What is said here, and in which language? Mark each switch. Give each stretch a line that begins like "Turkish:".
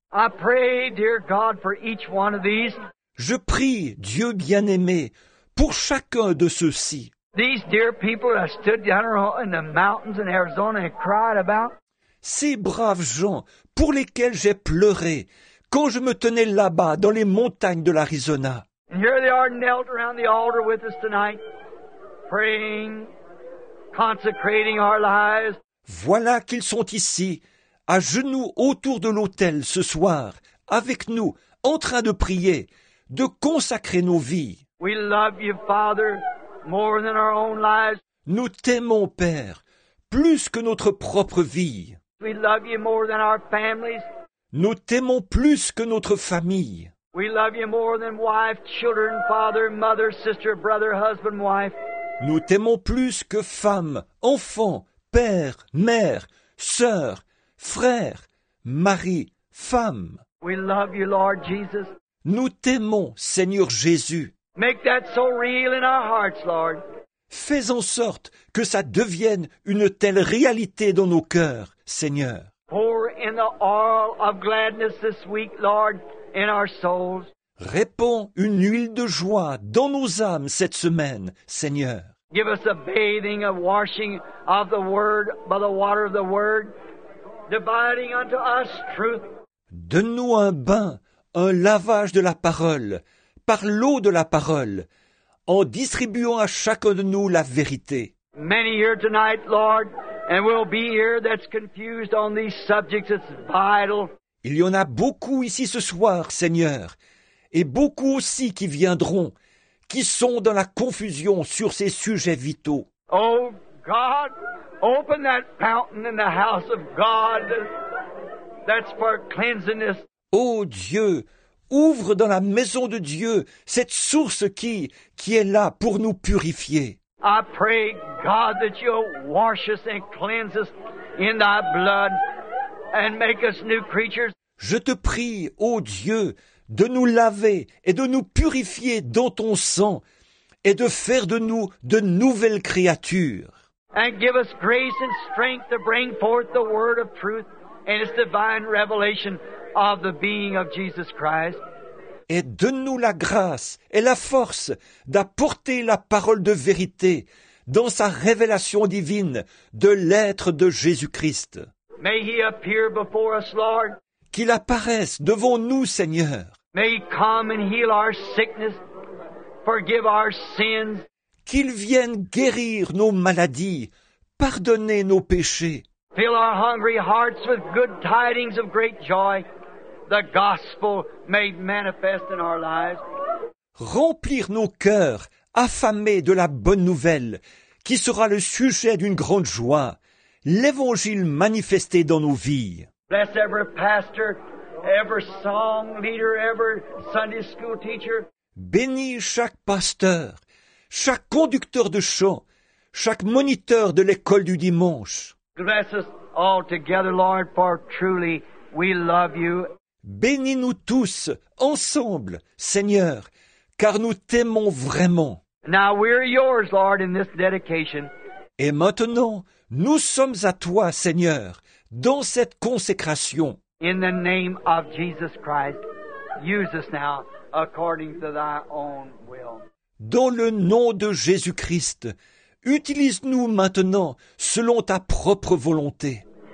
English: I pray, dear God, for each one of these.
French: Je prie, Dieu bien-aimé, pour chacun de ceux-ci.
English: These dear people that stood down in the mountains in Arizona and cried about.
French: Ces braves gens pour lesquels j'ai pleuré quand je me tenais là-bas dans les montagnes de l'Arizona.
English: And here they are knelt around the altar with us tonight, praying, consecrating our lives.
French: Voilà qu'ils sont ici, à genoux autour de l'autel ce soir, avec nous, en train de prier, de consacrer nos vies.
English: We love you, Father, more than our own lives.
French: Nous t'aimons, Père, plus que notre propre vie.
English: We love you more than our families.
French: Nous t'aimons plus que notre famille.
English: We love you more than wife, children, father, mother, sister, brother, husband, wife.
French: Nous t'aimons plus que femme, enfant, père, mère, sœur, frère, mari, femme.
English: We love you, Lord Jesus.
French: Nous t'aimons, Seigneur Jésus.
English: Make that so real in our hearts, Lord.
French: Fais en sorte que ça devienne une telle réalité dans nos cœurs, Seigneur.
English: Pour in the oil of gladness this week, Lord, in our souls.
French: Répands une huile de joie dans nos âmes cette semaine, Seigneur.
English: Give us a bathing, a washing of the Word by the water of the Word, dividing unto us truth.
French: Donne-nous un bain, un lavage de la parole, par l'eau de la parole, en distribuant à chacun de nous la vérité.
English: Many here tonight, Lord, and we'll be here that's confused on these subjects. It's vital.
French: Il y en a beaucoup ici ce soir, Seigneur, et beaucoup aussi qui viendront, qui sont dans la confusion sur ces sujets vitaux.
English: Oh God, open that fountain in the house of God that's for cleansingness.
French: Oh Dieu, ouvre dans la maison de Dieu cette source qui est là pour nous purifier.
English: I pray, God, that you'll wash us and cleanse us in thy blood and make us new creatures.
French: Je te prie, ô Dieu, de nous laver et de nous purifier dans ton sang et de faire de nous de nouvelles créatures.
English: And give us grace and strength to bring forth the word of truth and its divine revelation of the being of Jesus Christ.
French: Et donne-nous la grâce et la force d'apporter la parole de vérité dans sa révélation divine de l'être de Jésus-Christ.
English: May he appear before us, Lord.
French: Qu'il apparaisse devant nous, Seigneur.
English: May he come and heal our sickness. forgive our sins.
French: Qu'il vienne guérir nos maladies, pardonner nos péchés.
English: Fill our hungry hearts with good tidings of great joy, the gospel made manifest in our lives.
French: Remplir nos cœurs affamés de la bonne nouvelle, qui sera le sujet d'une grande joie, l'évangile manifesté dans nos vies.
English: Bless every pastor, every song leader, every Sunday school teacher.
French: Bénis chaque pasteur, chaque conducteur de chant, chaque moniteur de l'école du dimanche.
English: Bless us all together, Lord, for truly we love you.
French: Bénis-nous tous ensemble, Seigneur, car nous t'aimons vraiment.
English: Now we're yours, Lord, in this dedication.
French: Et maintenant, nous sommes à toi, Seigneur, dans cette consécration.
English: In the name of Jesus Christ, use us now according to thy own will.
French: Dans le nom de Jésus-Christ, utilise-nous maintenant selon ta propre volonté.